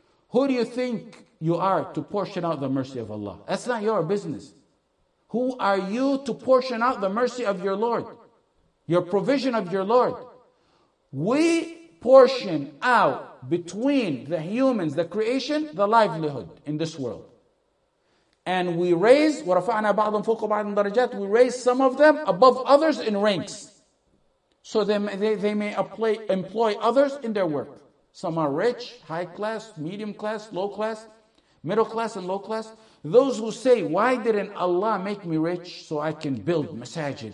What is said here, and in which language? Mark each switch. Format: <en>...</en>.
<en>Who do you think you are to portion out the mercy of Allah? That's not your business. Who are you to portion out the mercy of your Lord? Your provision of your Lord? We portion out between the humans, the creation, the livelihood in this world. And we raise,</en> <ar>وَرَفَعْنَا بَعْضًا فَوْقَ بَعْضٍ دَرَجَاتٍ.</ar> <en>We raise some of them above others in ranks. So they may employ others in their work. Some are rich, high class, medium class, low class, middle class and low class. Those who say, why didn't Allah make me rich so I can build masajid?</en>